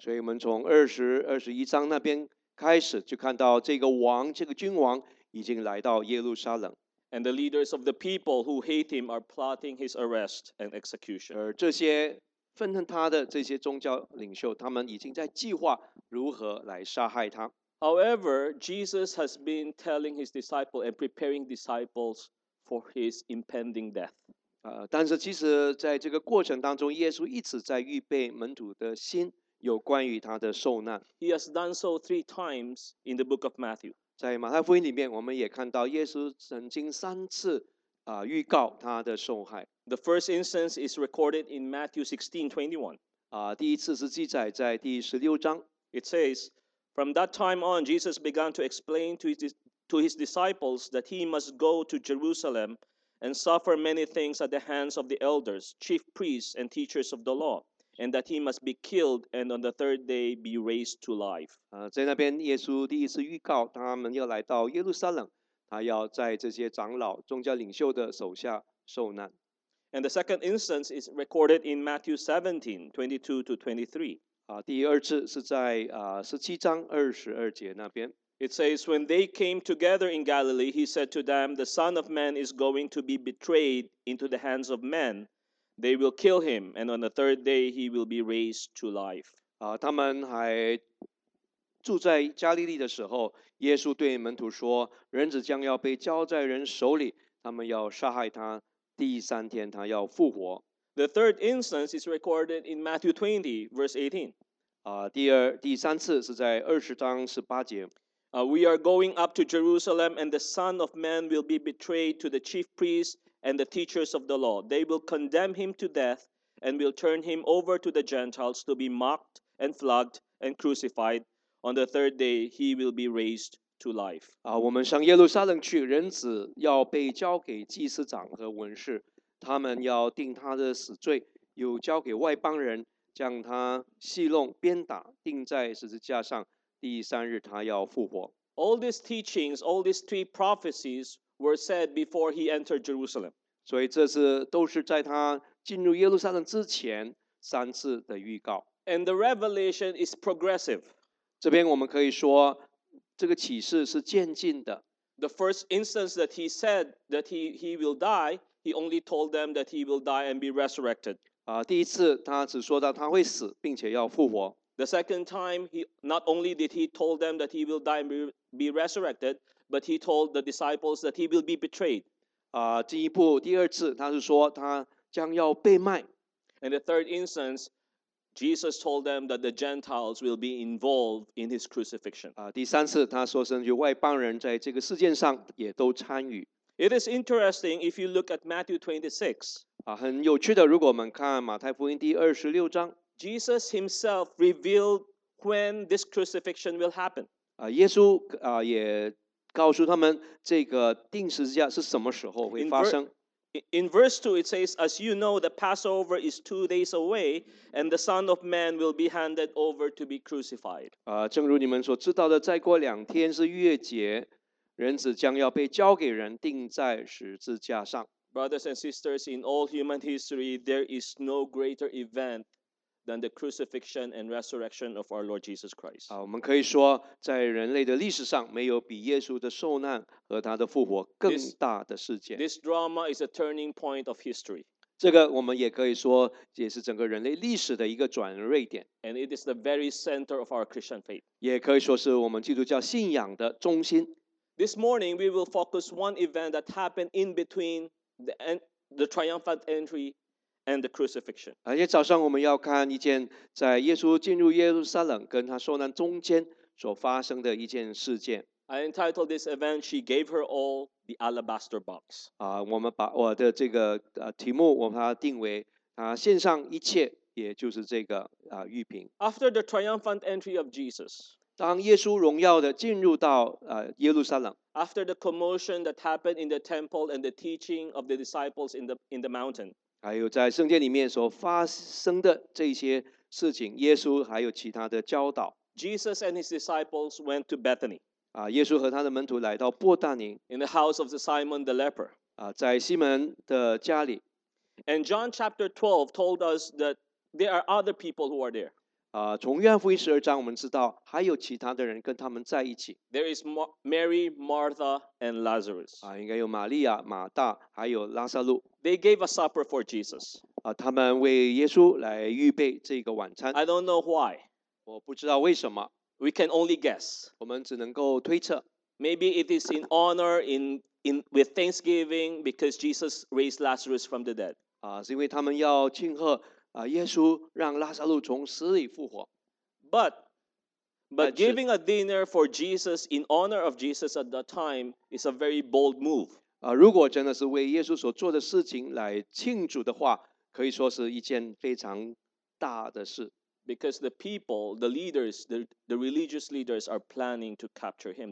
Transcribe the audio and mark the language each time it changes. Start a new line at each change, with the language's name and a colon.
Chinese: 所以我们从20-21章那边开始，就看到这个王，这个君王已经来到耶路撒冷。
English: And the leaders of the people who hate him are plotting his arrest and execution.
Chinese: 而这些愤恨他的这些宗教领袖，他们已经在计划如何来杀害他。
English: However, Jesus has been telling his disciples and preparing disciples for his impending death.
Chinese: 但是其实在这个过程当中，耶稣一直在预备门徒的心，有关于他的受难。
English: He has done so three times in the book of Matthew.
Chinese: 在马太福音里面，我们也看到耶稣曾经三次预告他的受害。
English: The first instance is recorded in Matthew 16:21.
Chinese: 第一次是记载在第十六章。
English: It says, From that time on, Jesus began to explain to his disciples that he must go to Jerusalem and suffer many things at the hands of the elders, chief priests, and teachers of the law, and that he must be killed and on the third day be raised to life.
Chinese: 在那边，耶稣第一次预告他们要来到耶路撒冷，他要在这些长老、宗教领袖的手下受难。
English: And the second instance is recorded in Matthew 17:22-23.
Chinese: 第二次是在17:22那边。
English: It says, When they came together in Galilee, he said to them, The Son of Man is going to be betrayed into the hands of men. They will kill him, and on the third day he will be raised to life.
Chinese: 他们还住在加利利的时候，耶稣对门徒说，人子将要被交在人手里，他们要杀害他，第三天他要复活。
English: The third instance is recorded in Matthew 20, verse 18.
Chinese: 第三次是在20:18.
English: We are going up to Jerusalem, and the Son of Man will be betrayed to the chief priests and the teachers of the law. They will condemn him to death and will turn him over to the Gentiles to be mocked and flogged and crucified. On the third day, he will be raised to life.
Chinese: 我们上耶路撒冷去，人子要被交给祭司长和文士。他们要定他的死罪，又交给外邦人，将他戏弄、鞭打，钉在十字架上。第三日，他要复活。
English: All these teachings, all these three prophecies were said before he entered Jerusalem.
Chinese: 所以这是都是在他进入耶路撒冷之前三次的预告。
English: And the revelation is progressive.
Chinese: 这边我们可以说，这个启示是渐进的。
English: The first instance that he said that he will die. He only told them that he will die and be resurrected.
Chinese: 第一次他只说到他会死并且要复活。
English: The second time, not only did he told them that he will die and be resurrected, but he told the disciples that he will be betrayed.
Chinese: 进一步第二次他是说他将要被卖。
English: And the third instance, Jesus told them that the Gentiles will be involved in his crucifixion.
Chinese: 第三次他说甚至外邦人在这个事件上也都参与。
English: It is interesting if you look at Matthew 26.
Chinese: 很有趣的，如果我们看马太福音第二十六章
English: ，Jesus himself revealed when this crucifixion will happen.
Chinese: 耶稣也告诉他们这个钉十字架是什么时候会发生。
English: In verse 2, it says, as you know, the Passover is 2 days away, and the Son of Man will be handed over to be crucified.
Chinese: 正如你们所知道的，再过两天是逾越节，人子将要被交给人，钉在十字架上。
English: Brothers and sisters, in all human history, there is no greater event than the crucifixion and resurrection of our Lord Jesus Christ.
Chinese: 我们可以说，在人类的历史上，没有比耶稣的受难和他的复活更大的事件。
English: This drama is a turning point of history.
Chinese: 这个我们也可以说，也是整个人类历史的一个转捩点。
English: And it is the very center of our Christian faith.
Chinese: 也可以说是我们基督教信仰的中心。
English: This morning, we will focus one event that happened in between the triumphant entry and the crucifixion.
Chinese: 而且早上我们要看一件在耶稣进入耶路撒冷跟他受难中间所发生的一件事件。
English: I entitled this event, She Gave Her All, the Alabaster Box.
Chinese: 我们把我的这个题目我把它定为献上一切，也就是这个玉瓶。
English: After the triumphant entry of Jesus,
Chinese: 当耶稣荣耀的进入到耶路撒冷，
English: After the commotion that happened in the temple and the teaching of the disciples in the mountain,
Chinese: 还有在圣殿里面所发生的这些事情，耶稣还有其他的教导。
English: Jesus and his disciples went to Bethany.
Chinese: 耶稣和他的门徒来到伯大尼。
English: In the house of the Simon the leper.
Chinese: 在西门的家里。
English: And John chapter 12 told us that there are other people who are there.
Chinese: 从约翰福音十二章我们知道还有其他的人跟他们在一起。
English: There is Mary, Martha, and Lazarus.
Chinese: 应该有玛利亚、马大还有拉撒路。
English: They gave a supper for Jesus.
Chinese: 他们为耶稣来预备这个晚餐。
English: I don't know why.
Chinese: 我不知道为什么。
English: We can only guess.
Chinese: 我们只能够推测。
English: Maybe it is in honor with thanksgiving because Jesus raised Lazarus from the dead.
Chinese: 是因为他们要庆贺耶稣让拉撒路从死里复活。
English: But giving a dinner for Jesus in honor of Jesus at that time is a very bold move.
Chinese: 如果真的是为耶稣所做的事情来庆祝的话，可以说是一件非常大的事。
English: Because the people, the leaders, the religious leaders are planning to capture him.